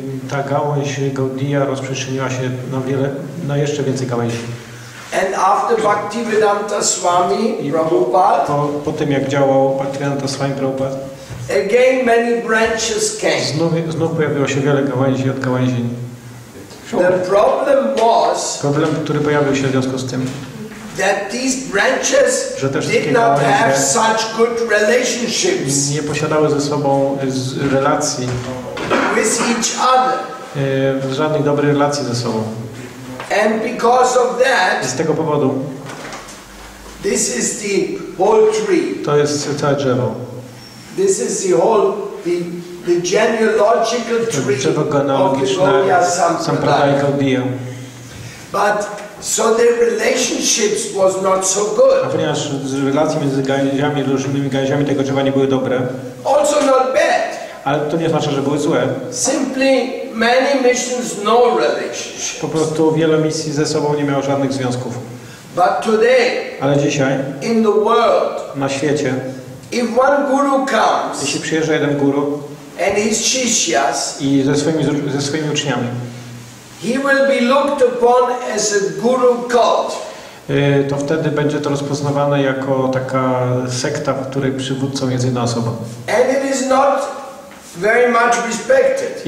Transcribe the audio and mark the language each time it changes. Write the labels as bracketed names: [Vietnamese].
[Polish] Ta gałąź Gaudiya rozprzestrzeniła się na wiele, na jeszcze więcej gałęzi. [English] And after Bhaktivedanta Swami Prabhupada. [Polish] Po tym jak działał Bhaktivedanta Swami Prabhupada. [English] Again many branches came. [Polish] Znów pojawiło się wiele gałęzi od gałęzi. [English] The problem was [Polish] problem, który pojawił się w związku z tym, [English] that these branches did not have such good relationships. [Polish] Nie posiadały ze sobą relacji [English] with each other. [Polish] Żadnych dobrych relacji ze sobą. [English] And because of that, [Polish] z tego powodu, [English] this is the whole tree. [Polish] To jest całe drzewo. [English] This is the whole the genealogical tree of the Gaudiya Sampradaya. But so their relationships was not so good. [Polish] A ponieważ relacje między gałęziami, różnymi gałęziami tego drzewa nie były dobre. [English] Also not bad. [Polish] Ale to nie znaczy, że były złe. [English] Simply many missions no relationships. [Polish] Po prostu wiele misji ze sobą nie miało żadnych związków. [English] But today, [Polish] ale dzisiaj, [English] in the world, [Polish] na świecie, [English] if one guru comes, [Polish] jeśli przyjeżdża jeden guru, [English] and his shishyas, [Polish] i ze swoimi uczniami, [English] he will be looked upon as a guru cult. [Polish] To wtedy będzie to rozpoznawane jako taka sekta, w której przywódcą jest jedna osoba. [English] And it is not very much respected.